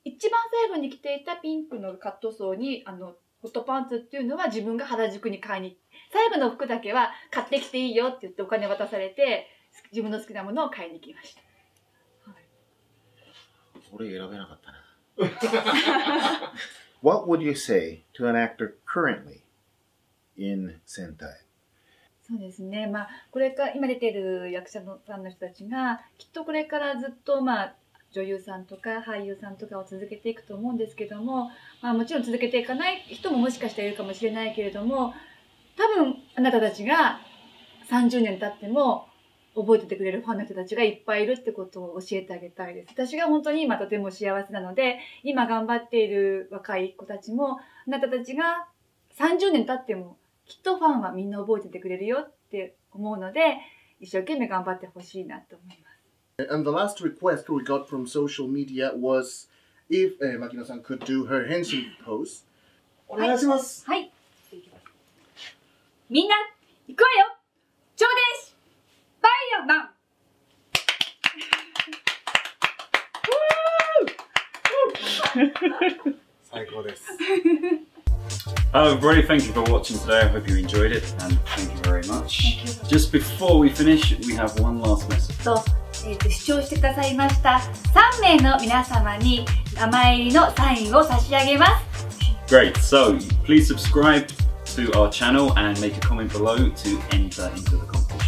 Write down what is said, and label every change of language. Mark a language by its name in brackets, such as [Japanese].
[Japanese] 一番最後に着ていたピンクのカットソーにあのホットパンツっていうのは自分が原宿に買いに、最後の服だけは買ってきていいよって言ってお金渡されて自分の好きなものを買いに来ました、はい、俺選べなかったな。 [English] What would you say to an actor currently in 戦隊？ [Japanese] そうですね、まあ、これか今出ている役者のさんの人たちがきっとこれからずっと、まあ、女優さんとか俳優さんとかを続けていくと思うんですけども、まあ、もちろん続けていかない人ももしかしたらいるかもしれないけれども、多分あなたたちが30年経っても覚えててくれるファンの人たちがいっぱいいるってことを教えてあげたいです。私が本当に今とても幸せなので、今頑張っている若い子たちもあなたたちが30年経ってもきっとファンはみんな覚えててくれるよって思うので、一生懸命頑張ってほしいなと思います。 [English] And the last request we got from social media was if Makino-san could do her henshin pose. [Japanese] お願いします。はい。みんな、行くわよ。ちょうです。バイオマン。最高です。 [English] Everybody, thank you for watching today. I hope you enjoyed it, and thank you very much. You. Just before we finish, we have one last message. [Japanese] と、視聴してくださいました3名の皆様に名前入りのサインを差し上げます。 [English] Great. So please subscribe to our channel and make a comment below to enter into the comment.